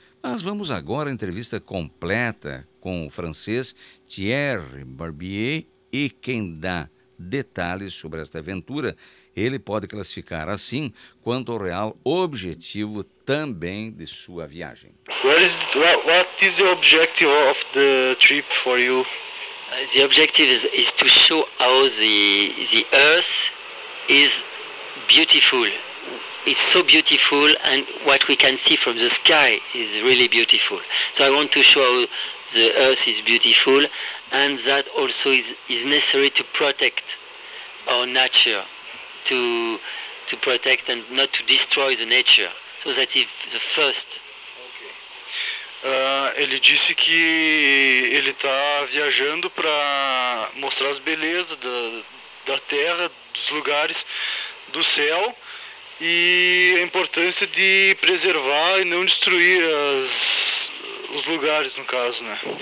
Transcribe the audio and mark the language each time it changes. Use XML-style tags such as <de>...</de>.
<pt>Mas vamos agora à entrevista completa com o francês Thierry Barbier e quem dá detalhes sobre esta aventura, ele pode classificar assim quanto ao real objetivo também de sua viagem.</pt> <en>What is the objective of the trip for you? The objective is to show how the Earth is beautiful. It's so beautiful, and what we can see from the sky is really beautiful. So I want to show how the Earth is beautiful, and that also is necessary to protect our nature, to protect and not to destroy the nature. So that is the first.</en> <pt>Ele disse que ele está viajando para mostrar as belezas da terra, dos lugares, do céu e a importância de preservar e não destruir os lugares, no caso, né?</pt>